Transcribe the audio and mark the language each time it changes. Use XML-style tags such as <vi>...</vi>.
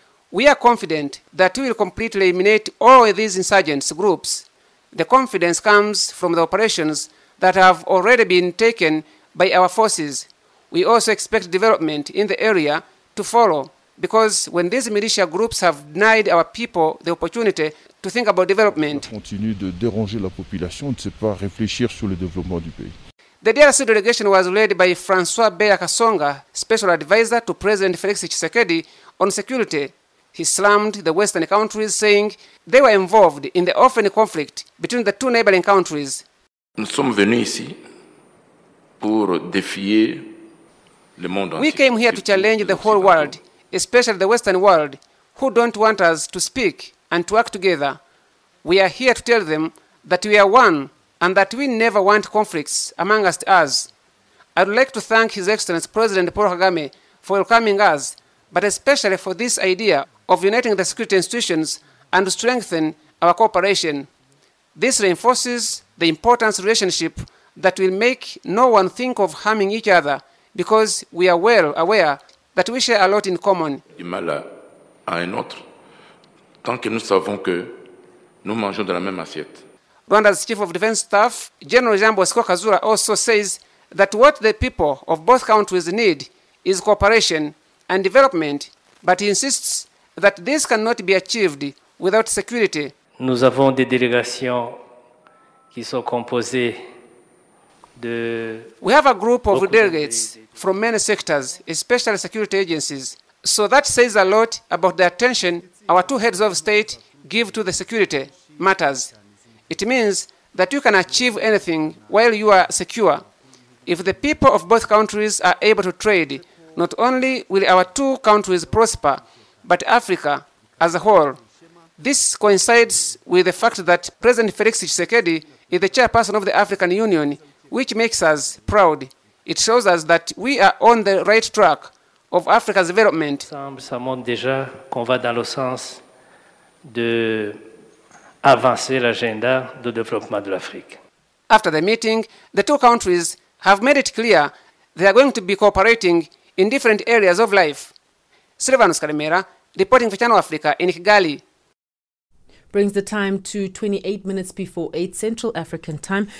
<en>We are confident that we will completely eliminate all these insurgents groups. The confidence comes from the operations that have already been taken by our forces. We also expect development in the area to follow, because when these militia groups have denied our people the opportunity to think about development,</en> <fr>continue de déranger la population, ne sait pas réfléchir sur le développement du pays.</fr> <en>The DRC delegation was led by François Beya Kasonga, special advisor to President Félix Tshisekedi on security. He slammed the Western countries, saying they were involved in the often conflict between the two neighboring countries.</en> <fr>Nous sommes venus ici pour défier le monde entier.</fr> <en>We came here to challenge the whole world, especially the Western world, who don't want us to speak and to work together. We are here to tell them that we are one and that we never want conflicts amongst us. I would like to thank His Excellency President Paul Kagame for welcoming us, but especially for this idea of uniting the security institutions and strengthen our cooperation. This reinforces the importance relationship that will make no one think of harming each other, because we are well aware that we share a lot in common.</en> <fr>Du mal à un autre, tant que nous savons que nous mangeons de la même assiette.</fr> <en>Rwanda's Chief of Defense Staff, General Jean Bosco Kazura, also says that what the people of both countries need is cooperation and development, but he insists that this cannot be achieved without security.</en> <fr>Nous avons des délégations qui sont composées de...</fr> <en>We have a group of delegates from many sectors, especially security agencies. So that says a lot about the attention our two heads of state give to the security matters. It means that you can achieve anything while you are secure. If the people of both countries are able to trade, not only will our two countries prosper, but Africa as a whole. This coincides with the fact that President Félix Tshisekedi is the chairperson of the African Union, which makes us proud. It shows us that we are on the right track of Africa's development.</en> <fr>Ça montre déjà qu'on va dans le sens de avancer l'agenda de développement de l'Afrique.</fr> <en>After the meeting, the two countries have made it clear they are going to be cooperating in different areas of life. Silvanus Karimera, reporting for Channel Africa in Kigali. Brings the time to 28 minutes before 8 Central African time.</en>